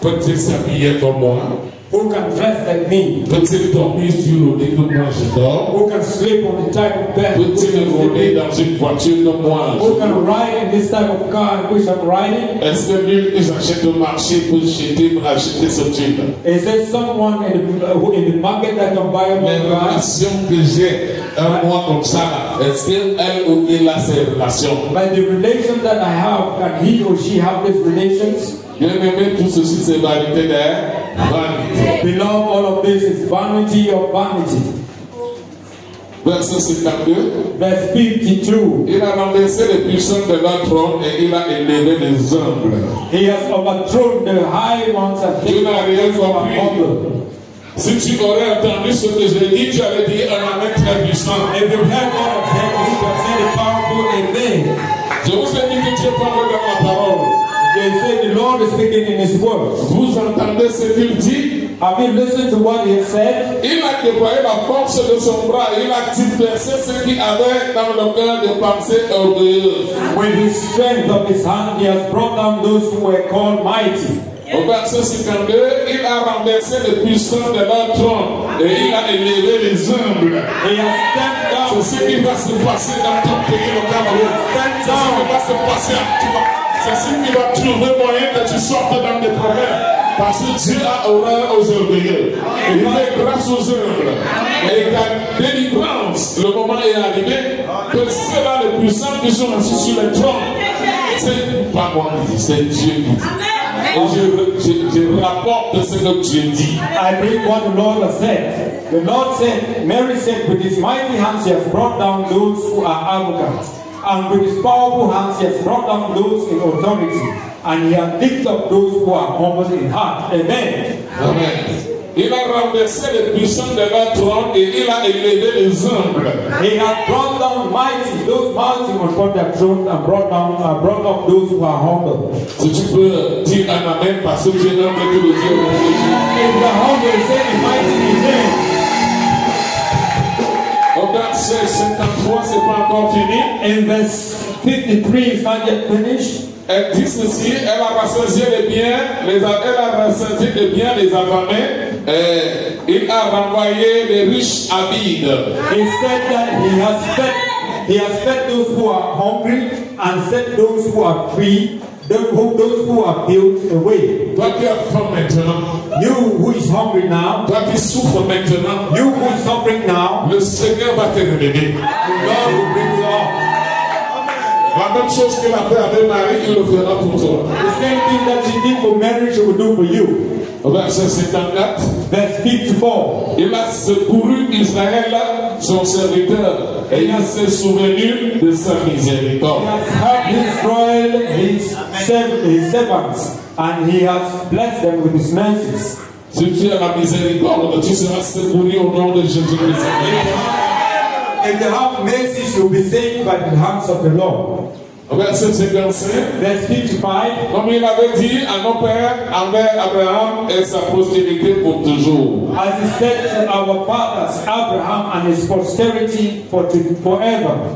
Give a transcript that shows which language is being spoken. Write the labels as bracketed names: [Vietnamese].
[French] Peut-il s'habiller comme moi? [English] Who can dress like me? [French] Peut-il dormir sur le lit comme moi je dors? [English] Who can sleep on the type of bed? [French] Peut-il rouler dans une voiture comme moi? [English] Who can ride in this type of car which I'm riding? [French] Est-ce que lui j'achète au marché pour acheter ce type? [English] Is there someone in the market that can buy my car? [French] Relation que j'ai un mois comme ça, est-ce qu'elle ou il a ces relations? [English] By the relation that I have, can he or she have these relations? [French] Bien-aimé, tout ceci c'est vanité de vanité. [English] Below all of this is vanity of vanity. [French] Verset 52. [English] Verse 52. [French] Il a renversé les puissants de leur trône et il a élevé les humbles. [English] He has overthrown the high ones and taken them above. [French] Tu n'as rien compris. Si tu aurais entendu ce que j'ai dit, tu aurais dit un amen très puissant. [English] If you heard all of them, you can say the powerful amen. [French] Je vous ai dit que Dieu parle dans ma parole. [English] They say the Lord is speaking in his words. [French] Vous entendez ce qu'il dit? [English] Have you listened to what he said? [French] Il a déployé la force de son bras. Il a dispersé ceux qui avaient dans le cœur des pensées orgueilleuses. [English] With his strength of his hand, he has brought down those who were called mighty. [French] Au verset 52, il a renversé les puissants de leur trône et il a élevé les humbles. C'est ce qui va se passer dans ton pays, mon Cameroun. C'est ce qui va se passer à toi. C'est ce qui va trouver moyen que tu sortes dans des problèmes. Parce que Dieu a horreur aux orgueilleux. Il fait grâce aux humbles. Et ta délivrance, le moment est arrivé, que ceux-là les puissants qui sont assis sur les trônes, c'est pas moi qui dis, c'est Dieu qui dit. Et je rapporte ce que Dieu dit. [English] I bring what the Lord has said. The Lord said, Mary said, with his mighty hands he has brought down those who are arrogant. And with his powerful hands he has brought down those in authority. And he has lifted up those who are humble in heart. Amen. Amen. [French] Il a renversé les puissants de leur trône et il a élevé les humbles. [English] He has brought down mighty, those mighty ones from their throne and brought up those who are humble. [French] Si tu peux dire un amen parce que j'ai nommé tout le Dieu. [English] If you are humble, say the mighty is there. [French] Au verset 53, c'est pas encore fini. [English] In verse 53, it's not yet finished. [French] Elle dit ceci, elle a rassasié les biens, elle a rassasié les biens, les affamés. Il a renvoyé les riches à vide. [English] He said that he has fed those who are hungry and set those who are free, those who are filled away. [French] Toi qui as faim maintenant, [English] you who is hungry now, [French] toi qui souffre maintenant, [English] you who is suffering now, [French] le Seigneur va te relever. [English] The Lord will bring you up. [French] La même chose qu'il a fait avec Marie, il le fera pour toi. [English] The same thing that he did for Mary, he will do for you. [French] Verset 54. [English] Verse 54. [French] Il a secouru Israël, son serviteur, et il s'est souvenu de sa miséricorde. [English] He has helped Israel, his servants, and he has blessed them with his mercies. [French] Si tu as la miséricorde, tu seras secouru au nom de Jésus-Christ. [English] If you have mercies, you'll be saved by the hands of the Lord. [French] Verset 55. [English] Verse 55. [French] Comme il avait dit à nos pères, envers Abraham et sa postérité pour toujours. [English] As he said to our fathers, Abraham and his posterity forever.